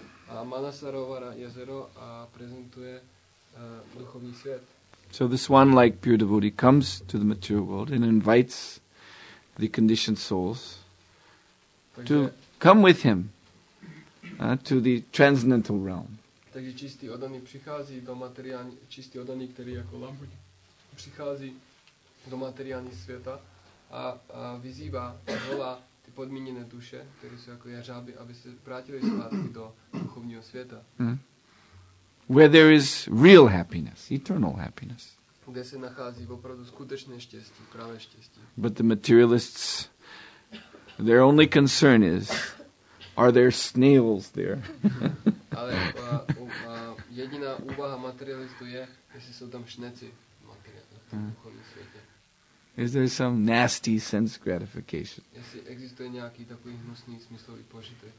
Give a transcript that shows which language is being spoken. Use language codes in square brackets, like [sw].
[cs] A Manasarovar jezero prezentuje duchovní svět. [en] So the swan, like pure devotee, comes to the material world and invites the conditioned souls to come with him to the transcendental realm. [cs] Takže čistý oddaný přichází do materiální, čistý oddaný, který jako labuť přichází do materiální světa a vyzývá, volá ty podmíněné duše, které jsou jako jeřáby, aby se vrátili zpátky do duchovního světa. [en] Where there is real happiness, eternal happiness. [cs] Kde se nachází opravdu skutečné štěstí, pravé štěstí. [en] But the materialists, their only concern is, are there snails there? [cs] Ale jediná úvaha materialistů je, jestli jsou tam šneci materiální v světě. [en] Is there some nasty sense gratification? [cs] Jestli existuje nějaký takový hnusný smyslový požitek.